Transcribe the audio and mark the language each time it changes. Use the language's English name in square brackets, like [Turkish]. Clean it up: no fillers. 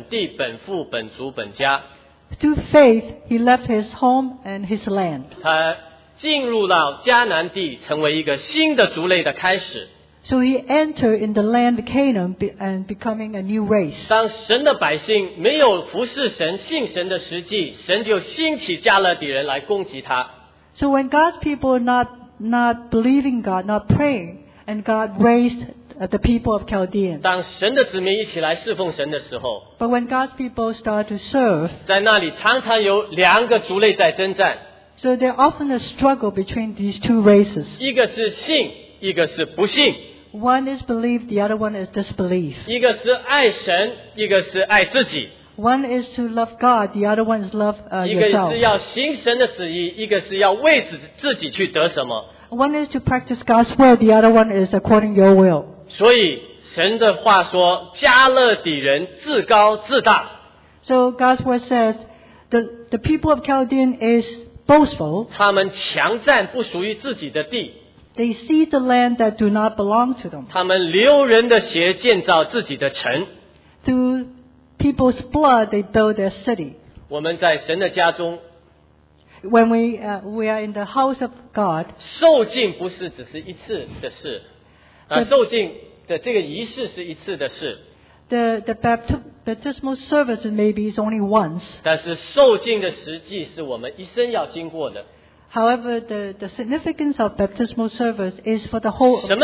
[Chinese] 但是他因着信离开他的本地本父本族本家。 [English] Through faith, he left his home and his land. [Chinese] 进入到迦南地，成为一个新的族类的开始。 [English] So he entered in the land of Canaan and becoming a new race. [Chinese] 当神的百姓没有服侍神、信神的时机，神就兴起迦勒底人来攻击他。 [English] So when God's people not believing God, not praying, and God raised the people of Chaldean. [Chinese] 当神的子民一起来侍奉神的时候， [English] But when God's people start to serve, [Chinese] 在那里常常有两个族类在征战。 [English] So there's often a struggle between these two races. [Chinese] 一个是信, 一个是不信。 [English] One is belief, the other one is disbelief. [Chinese] 一个是爱神, 一个是爱自己。 [English] One is to love God, the other one is love yourself. [Chinese] 一个是要行神的旨意, 一个是要为自己去得什么。 [English] One is to practice God's will, the other one is according to your will. [Chinese] 所以神的话说, 加勒底人自高自大。 [English] So God's word says, the people of Chaldean is boastful, [Chinese] 他们强占不属于自己的地, [English] they see the land that do not belong to them. [Chinese] 他们流人的血建造自己的城, [English] through people's blood, they build their city. [Chinese] 我们在神的家中, [English] when we are in the house of God, [Chinese] 受浸不是只是一次的事, 受浸的这个仪式是一次的事。 [English] The baptismal service maybe is only once. [Chinese] 但是受浸的实际是我们一生要经过的。 [English] However, the significance of baptismal service is for the whole.